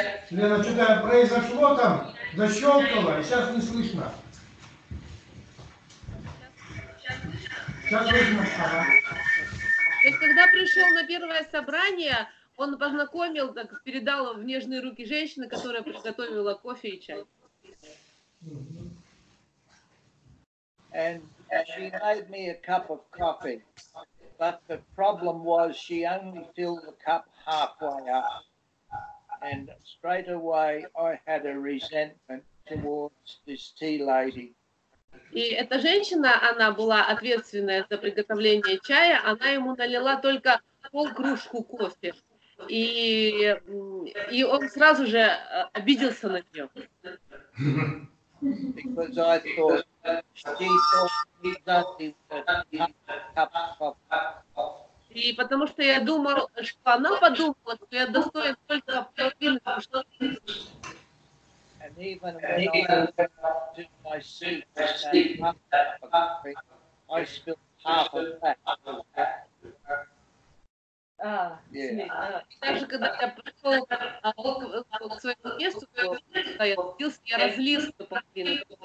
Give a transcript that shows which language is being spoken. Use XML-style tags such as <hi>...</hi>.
<ru>Лена, что-то произошло там, защелкнуло, и сейчас не слышно. То есть, когда пришел на первое собрание, он познакомил, так передал в нежные руки женщины, которая приготовила кофе и чай.</ru> <en>And she made me a cup of coffee, but the problem was she only filled the cup halfway up, and straight away I had a resentment towards this tea lady.</en> <ru>И эта женщина, она была ответственная за приготовление чая, она ему налила только полкружку кофе, и он сразу же обиделся на нее.</ru> <en>Because I thought she thought nothing but a cup.</en> <ru>И потому что я думал, что она подумала, что я достоин только половины. Даже когда я пришел к своему месту, я разлился по половине.</ru>